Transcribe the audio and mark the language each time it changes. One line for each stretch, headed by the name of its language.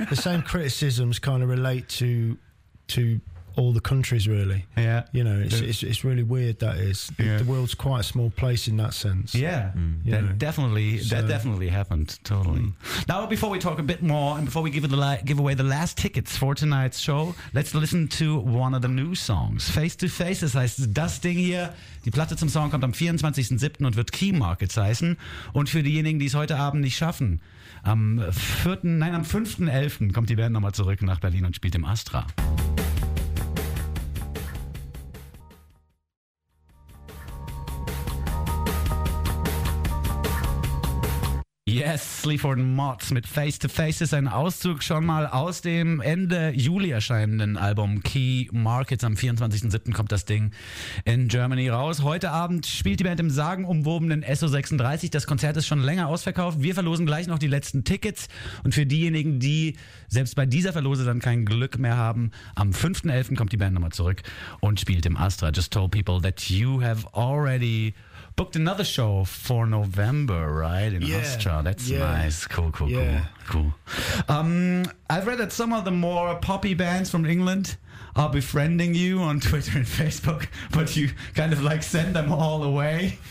English: The same criticisms kind of relate to all the countries, really. Yeah. You know, it's really weird, that is. Yeah. The world's quite a small place in that sense. Yeah. That definitely happened, totally. Mm. Now, before we talk a bit more and before we give away the last tickets for tonight's show, let's listen to one of the new songs.
German: Face to Face, das heißt das Ding hier. Die Platte zum Song kommt am 24.07. und wird Key Markets heißen. Und für diejenigen, die es heute Abend nicht schaffen, am 5.11. kommt die Band nochmal zurück nach Berlin und spielt im Astra. Yes, Sleaford Mods mit Face to Face ist ein Auszug schon mal aus dem Ende Juli erscheinenden Album Key Markets. Am 24.07. kommt das Ding in Germany raus. Heute Abend spielt die Band im sagenumwobenen SO36. Das Konzert ist schon länger ausverkauft. Wir verlosen gleich noch die letzten Tickets. Und für diejenigen, die selbst bei dieser Verlose dann kein Glück mehr haben, am 5.11. kommt die Band nochmal zurück und spielt im Astra.
English: Just told people that you have already booked another show for November, right? In Austria. That's nice. Cool. I've read that some of the more poppy bands from England are befriending you on Twitter and Facebook, but you kind of like send them all away.